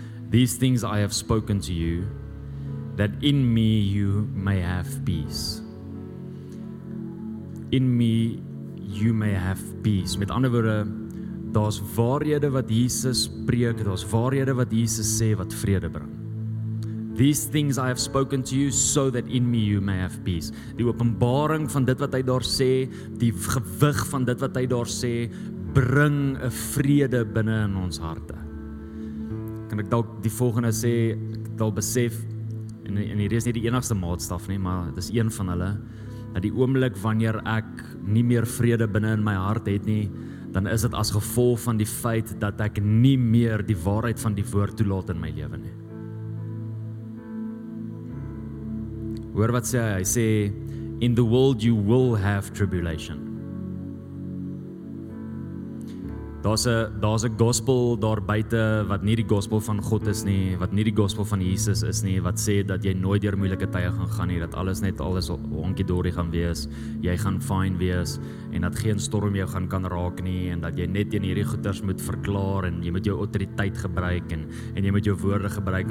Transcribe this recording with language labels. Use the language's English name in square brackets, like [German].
[English] "These things I have spoken to you, that in me you may have peace." [Afrikaans] In me you may have peace. Met ander woorde, daar's waarhede wat Jesus preek, daar's waarhede wat Jesus sê wat vrede bring. [English] "These things I have spoken to you, so that in me you may have peace." [Afrikaans] Die openbaring van dit wat hy daar sê, die gewig van dit wat hy daar sê, bring 'n vrede binne in ons harte. Kan ek dalk die volgende sê, ek het al besef, en hierdie is nie die enigste maatstaf nie, maar dit is een van hulle, dat die oomblik wanneer ek nie meer vrede binne in my hart het nie, dan is dit as gevolg van die feit dat ek nie meer die waarheid van die woord toelaat in my lewe nie. Hoor wat sê hy? [English] Hy sê, "In the world you will have tribulation." [Afrikaans] Daar's 'n gospel daar buite wat nie die gospel van God is nie, wat nie die gospel van Jesus is nie, wat sê dat jy nooit deur moeilike tye gaan gaan nie, dat alles honkie-dorie gaan wees, jy gaan fine wees, en dat geen storm jou gaan kan raak nie, en dat jy net teen hierdie goeters moet verklaar, en jy moet jou autoriteit gebruik, en jy moet jou woorde gebruik.